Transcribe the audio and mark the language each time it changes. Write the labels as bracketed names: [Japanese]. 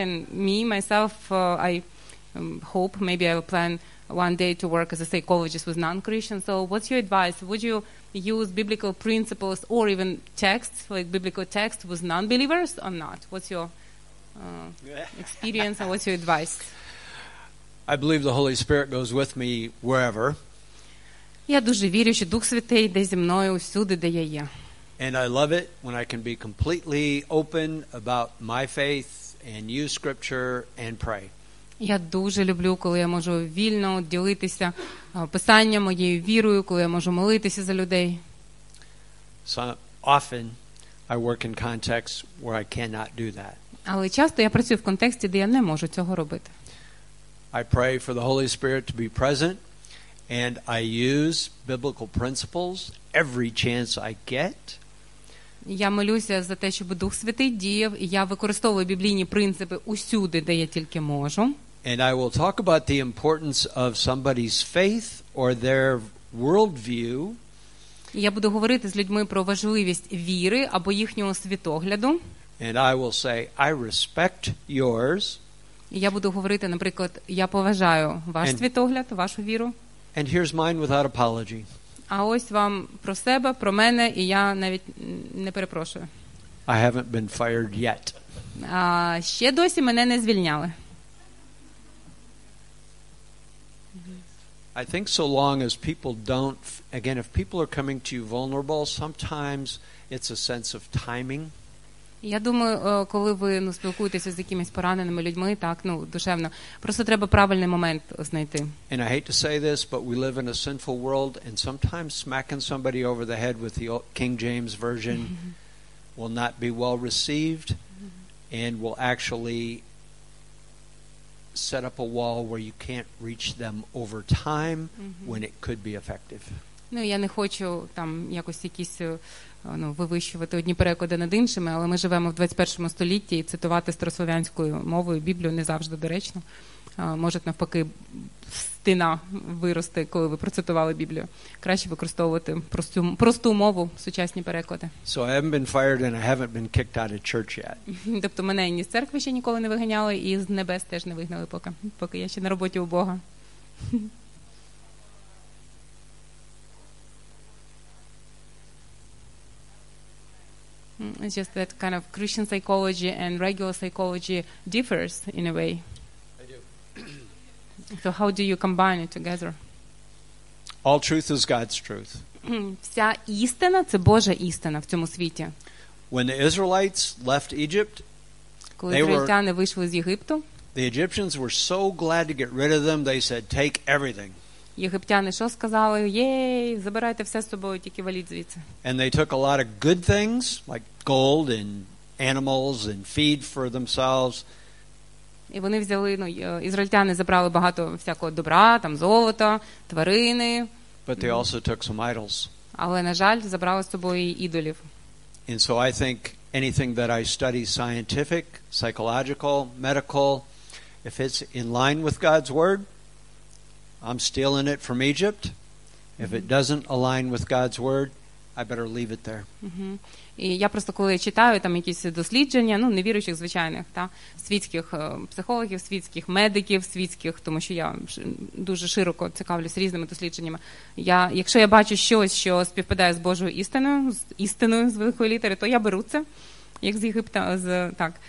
[English] And me myself, I hope maybe I will plan one day to work as a psychologist with non-Christians. So what's your advice? Would you use biblical principles or even texts, like biblical texts, with non-believers or not? What's your experience and what's your advice? I believe the Holy Spirit goes with me wherever. [Ukrainian] Я дуже вірю, що Дух Святий йде зі мною усюди, де я є. [English] And I love it when I can be completely open about my faith and use scripture and pray. [Ukrainian] Я дуже люблю, коли я можу вільно ділитися писанням, моєю вірою, коли я можу молитися за людей. [English] So often I work in contexts where I cannot do that. [Ukrainian] Але часто я працюю в контексті, де я не можу цього робити. [English] I pray for the Holy Spirit to be present and I use biblical principles every chance I get. [Ukrainian] Я молюся за те, щоб Дух Святий діяв, і я використовую біблійні принципи усюди, де я тільки можу. [English] And I will talk about the importance of somebody's faith or their worldview. [Ukrainian] Я буду говорити з людьми про важливість віри або їхнього світогляду. [English] And I will say, I respect yours. [Ukrainian] Я буду говорити, наприклад, я поважаю ваш світогляд, вашу віру. [English] And here's mine without apology. [Ukrainian] А ось вам про себе, про мене, і я навіть не перепрошую. [English] I haven't been fired yet. [Ukrainian] А ще досі мене не звільняли. [English] I think so long as people don't, again, if people are coming to you vulnerable, sometimes it's a sense of timing. [Ukrainian] Я думаю, коли ви, ну, спілкуєтеся з якимись пораненими людьми, так, ну, душевно, просто треба правильний момент знайти. [English] And I hate to say this, but we live in a sinful world, and sometimes smacking somebody over the head with the King James Version will not be well received, and will actually set up a wall where you can't reach them over time when it could be effective. [Ukrainian] Ну, я не хочу там якось якісь, ну, вивищувати одні переклади над іншими, але ми живемо в 21 столітті, і цитувати старослов'янською мовою Біблію не завжди доречно. Може, навпаки, стіна вирости, коли ви процитували Біблію. Краще використовувати просту мову, сучасні переклади. [English] So I haven't been fired and I haven't been kicked out of church yet. [Ukrainian] Тобто мене ні з церкви ще ніколи не виганяли, і з небес теж не вигнали поки. Поки я ще на роботі у Бога. [English] It's just that kind of Christian psychology and regular psychology differs in a way. So how do you combine it together? All truth is God's truth. [Ukrainian] Вся істина – це Божа істина в цьому світі. [English] When the Israelites left Egypt, [Ukrainian] коли ізраїльтяни вийшли з Єгипту, [English] the Egyptians were so glad to get rid of them, they said, take everything. [Ukrainian] Єгиптяни що сказали? Єй, забирайте все з собою, тільки валіть звідси. [English] And they took a lot of good things, like gold and animals and feed for themselves. [Ukrainian] І вони взяли, ну, ізраїльтяни забрали багато всякого добра, там золото, тварини. [English] But they also took some idols. [Ukrainian] Але, на жаль, забрали з собою ідолів. [English] And so I think anything that I study scientific, psychological, medical, if it's in line with God's word, I'm stealing it from Egypt. If it doesn't align with God's word, I better leave it there. [Ukrainian] І я просто коли читаю там якісь дослідження, ну, невіруючих звичайних, та світських психологів, світських медиків, світських, тому що я дуже широко цікавлюсь різними дослідженнями. Якщо я бачу щось, що співпадає з Божою істиною, з істиною з великої літери, то я беру це, як з Єгипта, так.